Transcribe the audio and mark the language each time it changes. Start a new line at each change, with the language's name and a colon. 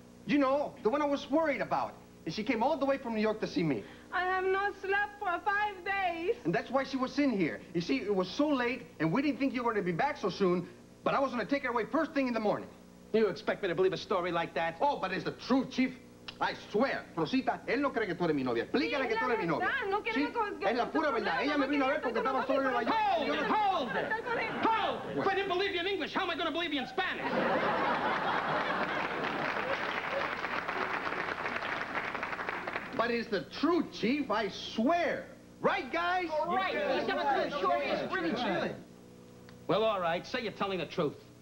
English: You know, the one I was worried about. And she came all the way from New York to see me. I have not slept for 5 days. And that's why she was in here. You see, it was so late, and we didn't think you were going to be back so soon, but I was going to take her away first thing in the morning. You expect me to believe a story like that? Oh, but it's the truth, Chief. I swear,
Spanish: Rosita, él no cree que tú eres mi novia. Explícale que tú eres mi novia. No quiero conseguir. Es la pura verdad. Ella me vino a ver porque estaba solo en la
English: calle. Hold it! Hold it! Hold it! If I didn't believe you in English, how am I going to believe you in Spanish? But it's the truth, Chief. I swear. Right, guys? All right. He's got a good story. He's really chilling. Well, all right. Say you're telling the truth.